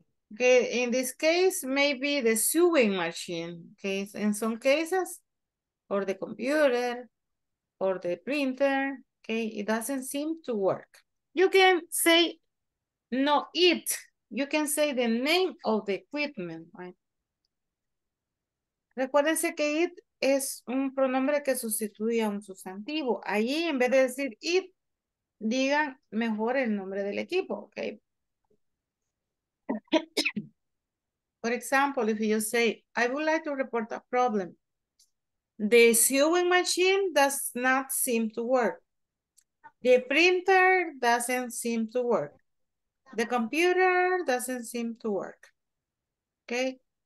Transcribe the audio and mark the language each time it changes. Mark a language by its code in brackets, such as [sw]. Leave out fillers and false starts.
[en] Okay, in this case, maybe the sewing machine, okay, in some cases, or the computer, or the printer, okay, it doesn't seem to work. You can say, no, it, you can say the name of the equipment, right? [es] Recuérdense que it es un pronombre que sustituye a un sustantivo. Allí, en vez de decir it, digan mejor el nombre del equipo, okay? [en] For example, if you say, I would like to report a problem. The sewing machine does not seem to work. The printer doesn't seem to work. The computer doesn't seem to work. Okay?